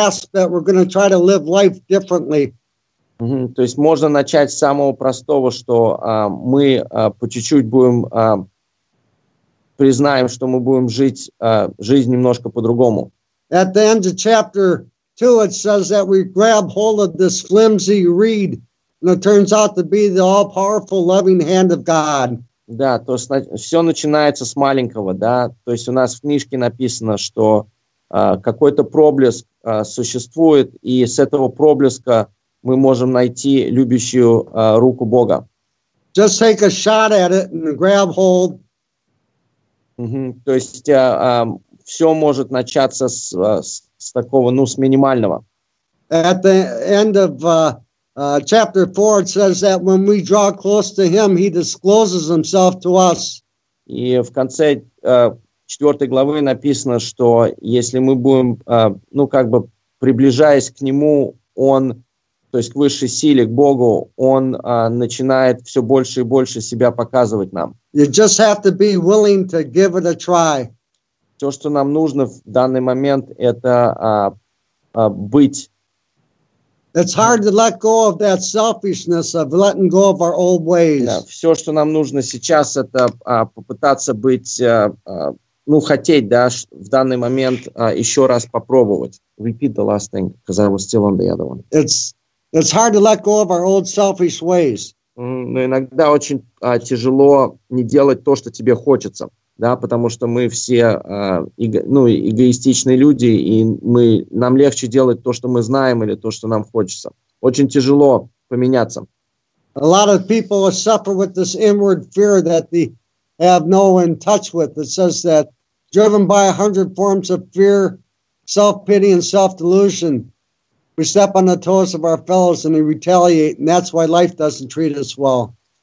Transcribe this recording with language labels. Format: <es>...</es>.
<ru>То есть можно начать с самого простого, что мы по чуть-чуть будем, признаем, что мы будем жить жизнь немножко по-другому.</ru> <en>At the end of chapter 2, it says that we grab hold of this flimsy reed, and it turns out to be the all-powerful, loving hand of God.</en> <ru>Да, то есть все начинается с маленького, да. То есть у нас в книжке написано, что какой-то проблеск существует, и с этого проблеска мы можем найти любящую руку Бога.</ru> <en>Just take a shot at it and grab hold.</en> <ru>То есть все может начаться с такого, ну, с минимального.</ru> <en>At the end of chapter 4, it says that when we draw close to him, he discloses himself to us.</en> <ru>И в конце 4 главы написано, что если мы будем, ну, как бы приближаясь к нему, он, то есть к высшей силе, к Богу, он начинает все больше и больше себя показывать нам.</ru> <en>You just have to be willing to give it a try.</en> <ru>То, что нам нужно в данный момент, это быть.</ru> <en>It's hard to let go of that selfishness of letting go of our old ways.</en> <ru>Да, все, что нам нужно сейчас, это попытаться быть, ну, хотеть, да, в данный момент еще раз попробовать.</ru> <en>Repeat the last thing, because I was still on the other one. It's hard to let go of our old selfish ways.</en> <ru>Но иногда очень тяжело не делать то, что тебе хочется, да, потому что мы все эгоистичные люди, и нам легче делать то, что мы знаем, или то, что нам хочется. Очень тяжело поменяться.</ru> <en>A lot of people suffer with this inward fear that they have no in touch with. It says that driven by 100 forms of fear, self-pity and self-delusion, we step on the toes of our fellows and we retaliate, and that's why life doesn't treat us well.</en>